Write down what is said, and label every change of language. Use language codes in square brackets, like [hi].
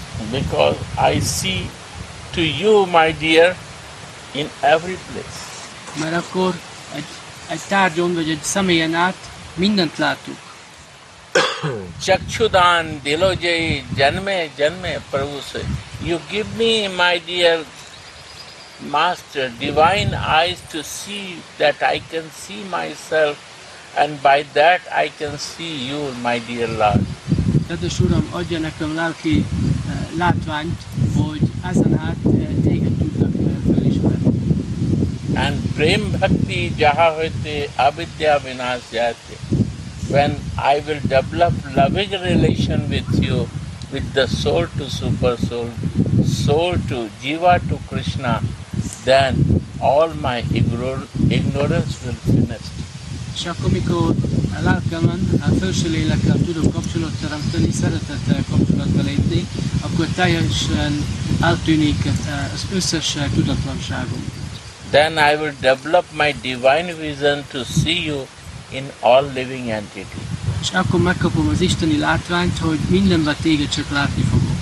[en] Because I see to you, my dear, in every place. [hu] Mert akkor egy tárgyon vagy egy személyen át mindent látunk. [bn] Chakshudan dilojai janme janme prabhu se. [en] You give me, my dear master, divine eyes to see that I can see myself, and by that I can see you, my dear Lord. [hu] Kedves Uram, adja nekem lelki látványt, hogy ezen át téged tudtak felismerni. [bn] And prem bhakti jaha hoite avidya vinash jate. [en] When I will develop loving relation with you, with the soul to super soul, soul to jiva to Krishna, then all my ignorance will finish. [hu] És akkor, mikor a lelkemen, a felső lélekkel tudok kapcsolat teremteni, szeretettel kapcsolatba lépni, akkor teljesen eltűnik az összes tudatlanságom. [en] Then I will develop my divine vision to see you in all living entity. [hu] És akkor megkapom az isteni látványt, hogy mindenben téged csak látni fogok.